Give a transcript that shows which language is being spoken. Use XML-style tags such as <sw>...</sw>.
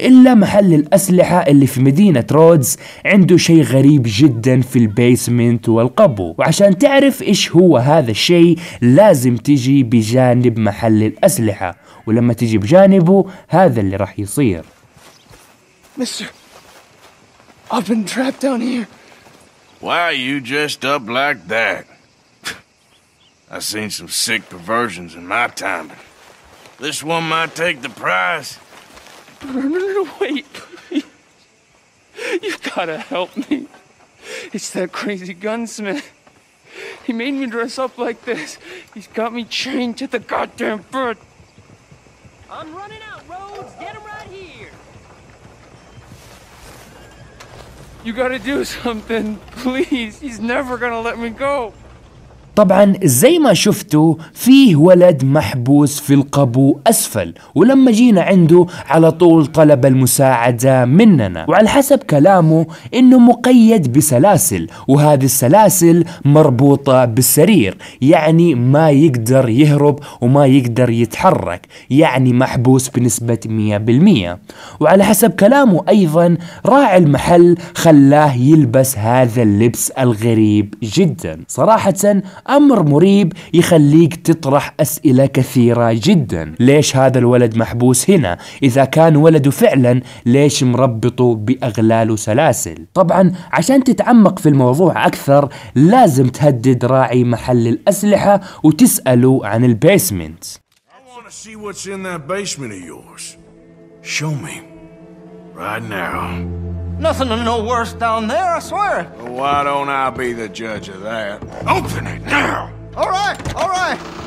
<ar>إلا محل الأسلحة اللي في مدينة رودز عنده شيء غريب جدا في البيسمنت والقبو، وعشان تعرف إيش هو هذا الشيء لازم تجي بجانب محل الأسلحة، ولما تجي بجانبه هذا اللي راح يصير.</ar> <en>Mister, I've been trapped down here. Why are you dressed up like that? I've seen some sick perversions in my time. This one might take the prize. No, wait, please. You gotta help me. It's that crazy gunsmith. He made me dress up like this. He's got me chained to the goddamn bird. I'm running out, Rhodes. Get him right here. You gotta do something, please. He's never gonna let me go.</en> <ar>طبعا زي ما شفتوا فيه ولد محبوس في القبو أسفل، ولما جينا عنده على طول طلب المساعدة مننا، وعلى حسب كلامه إنه مقيد بسلاسل، وهذه السلاسل مربوطة بالسرير، يعني ما يقدر يهرب وما يقدر يتحرك، يعني محبوس بنسبة 100%. وعلى حسب كلامه أيضا راعي المحل خلاه يلبس هذا اللبس الغريب جدا. صراحة أمر مريب يخليك تطرح أسئلة كثيرة جدا. ليش هذا الولد محبوس هنا؟ إذا كان ولده فعلا ليش مربطه بأغلال وسلاسل؟ طبعا عشان تتعمق في الموضوع أكثر لازم تهدد راعي محل الأسلحة وتسأله عن البيسمنت.</ar> <en>I wanna see what's in that basement of yours. Show me. Right now. Nothing no worse down there, I swear. Well, why don't I be the judge of that? Open it now! All right, all right.</en>